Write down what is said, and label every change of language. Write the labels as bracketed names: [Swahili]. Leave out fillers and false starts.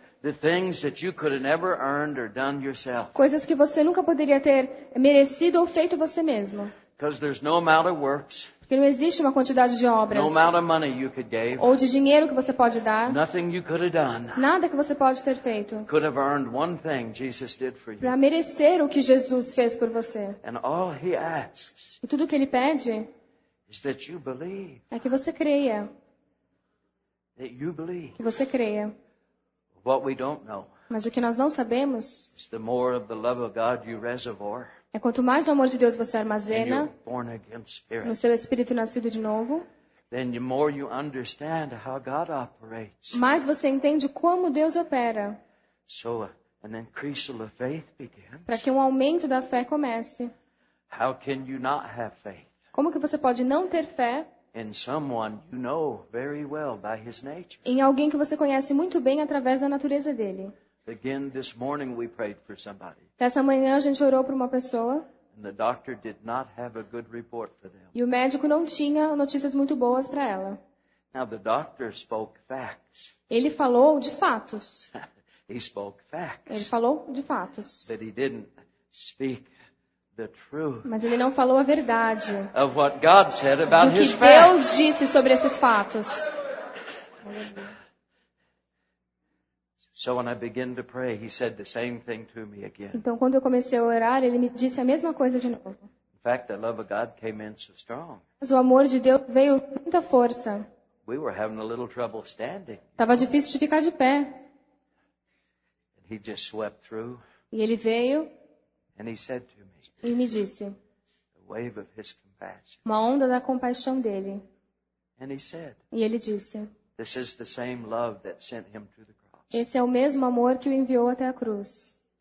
[English] The things that you could have never earned or done yourself. [Portuguese] Coisas que você nunca poderia ter merecido ou feito você mesmo. [English] Because there's no amount of works. [Portuguese] Porque não existe uma quantidade de obras. [English] No amount of money you could give. [Portuguese] Ou de dinheiro que você pode dar. [English] Nothing you could have done. [Portuguese] Nada que você pode ter feito. [English] Could have earned one thing Jesus did for you. [Portuguese] Para merecer o que Jesus fez por você. [English] And all he asks. [Portuguese] E tudo que ele pede. [English] Is that you believe. [Portuguese] É que você creia. [English] That you believe. [Portuguese] Que você creia. [English] What we don't know. [Portuguese] Mas o que nós não sabemos. [English] Is the more of the love of God you reservoir. [Portuguese] É quanto mais o amor de Deus você armazena. [English] And you're born again spirit. [Portuguese] No seu espírito nascido de novo. [English] Then the more you understand how God operates. [Portuguese] Mais você entende como Deus opera. [English] So an increase of faith begins. [Portuguese] Para que um aumento da fé comece. [English] How can you not have faith? [Portuguese] Como que você pode não ter fé? [English] in someone you know very well by his nature. [Portuguese] Em alguém que você conhece muito bem através da natureza dele. [English] Again, this morning we prayed for somebody. [Portuguese] Essa manhã a gente orou por uma pessoa. [English] And the doctor did not have a good report for them. [Portuguese] E o médico não tinha notícias muito boas para ela. [English] Now the doctor spoke facts. [Portuguese] Ele falou de fatos. [English] He spoke facts. [Portuguese] Ele falou de fatos. [English] But he didn't speak the truth. [Portuguese] Mas ele não falou a verdade. [English] Of what God said about his facts. [Portuguese] Do que Deus disse sobre esses fatos. [English] So when I began to pray, he said the same thing to me again. [Portuguese] Então quando eu comecei a orar, ele me disse a mesma coisa de novo. [English] In fact, the love of God came in so strong. [Portuguese] Mas o amor de Deus veio com muita força. [English] We were having a little trouble standing. [Portuguese] Tava difícil de ficar de pé. [English] And he just swept through. [Portuguese] E ele veio. [English] And he said to me. [Portuguese] E me disse. [English] A wave of his compassion. [Portuguese] Uma onda da compaixão dele. [English] And he said. [Portuguese] E ele disse. [English] This is the same love that sent him to the cross. [Portuguese] Esse é o mesmo amor que o enviou até a cruz.